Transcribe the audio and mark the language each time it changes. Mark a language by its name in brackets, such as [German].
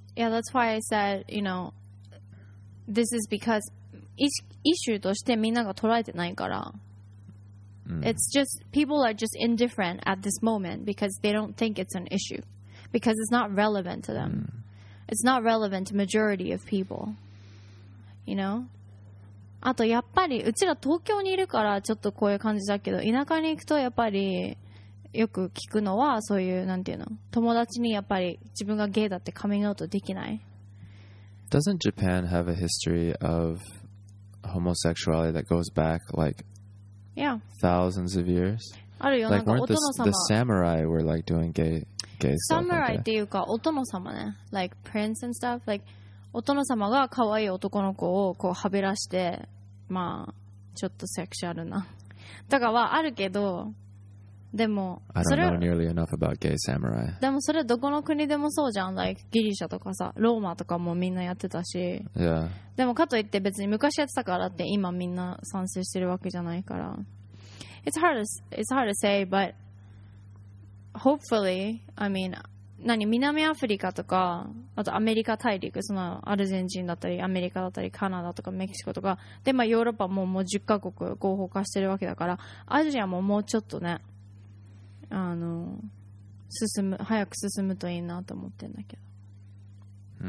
[English] Yeah, that's why I said, you know, this is because issue [Japanese] としてみんなが捉えてないから。 [English] It's just people are just indifferent at this moment because they don't think it's an issue because it's not relevant to them. It's not relevant to majority of people. You know. [Japanese] あとやっぱりうちら東京にいるからちょっとこういう感じだけど田舎に行くとやっぱりよく聞くのはそういうなんていうの友達にやっぱり自分がゲイだってカミングアウトできない [English] Doesn't Japan have a history of homosexuality that goes back like Yeah thousands of years? [Japanese] あるよ、 [English] like、 [Japanese] なんかお殿様 [English] the samurai were like doing gay stuff [Japanese] Samurai っていうかお殿様ね [English] Like prince and stuff [Japanese] Like お殿様が可愛い男の子をこうはべらして、まあ、ちょっとセクシュアルな。とかはあるけど、でも、 [English] それ I don't know nearly enough about gay samurai. [Japanese] でもそれどこの国でもそうじゃん。Like, ギリシャとかさ、ローマとかもみんなやってたし。 [English] Yeah. [Japanese] でもかといって別に昔やってたからって今みんな賛成してるわけじゃないから。 [English] It's hard to say, but hopefully, I mean... [Japanese] 何南アフリカとかあとアメリカ大陸そのアルゼンチンだったりアメリカだったりカナダとかメキシコとかで、まあ、ヨーロッパももう10カ国合法化してるわけだからアジアももうちょっとねあの進む早く進むといいなと思ってんだけど、